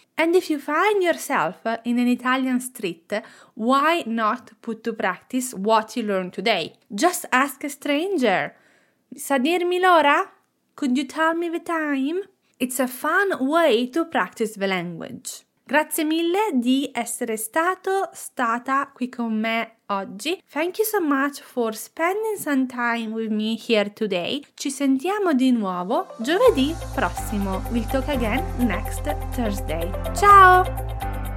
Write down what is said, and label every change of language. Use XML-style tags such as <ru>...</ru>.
<en>And if you find yourself in an Italian street, why not put to practice what you learned today? Just ask a stranger.</en> <it>Sa dirmi l'ora?</it> <en>Could you tell me the time? It's a fun way to practice the language.</en> <it>Grazie mille di essere stata qui con me oggi.</it> <en>Thank you so much for spending some time with me here today.</en> <it>Ci sentiamo di nuovo giovedì prossimo.</it> <en>We'll talk again next Thursday.</en> <it>Ciao!</it>